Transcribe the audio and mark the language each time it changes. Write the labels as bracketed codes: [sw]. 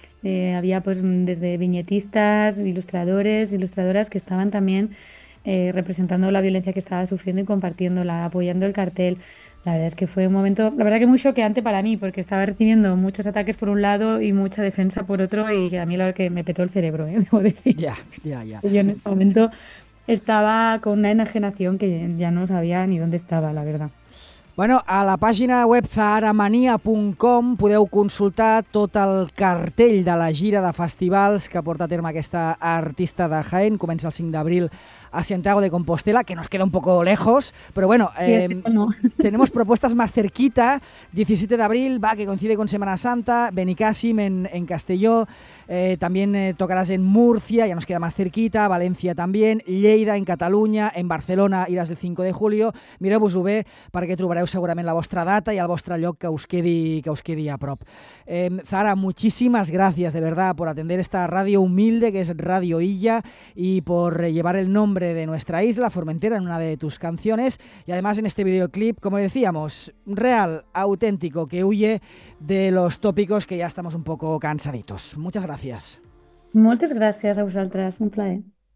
[es] Había pues desde viñetistas, ilustradores, ilustradoras que estaban también representando la violencia que estaba sufriendo y compartiéndola, apoyando el cartel. La verdad es que fue un momento, la verdad que muy choqueante para mí, porque estaba recibiendo muchos ataques por un lado y mucha defensa por otro, y a mí la verdad que me petó el cerebro, debo decir. Yo en ese momento estaba con una enajenación que ya no sabía ni dónde estaba, la verdad. [ca] Bueno, a la pàgina web zaharamania.com podeu consultar tot el cartell de la gira de festivals que porta a terme aquesta artista de Jaén. Comença el 5 d'abril a [es] Santiago de Compostela, que nos queda un poco lejos, pero bueno, Sí, es que no. tenemos propuestas más cerquita. 17 de abril, va, que coincide con Semana Santa, Benicàssim en Castelló, también tocarás en Murcia, ya nos queda más cerquita, Valencia también, Lleida en Cataluña, en Barcelona irás el 5 de julio. [ca] Mireu-vos-ho bé perquè trobareu segurament la vostra data i el vostre lloc que us quedi a prop. [es] Zahara, muchísimas gracias de verdad por atender esta radio humilde que es Radio Illa y por llevar el nombre de nuestra isla, Formentera, en una de tus canciones y además en este videoclip, como decíamos, real, auténtico, que huye de los tópicos que ya estamos un poco cansaditos. Muchas gracias. [ca] Moltes gràcies a vosaltres, un plaer.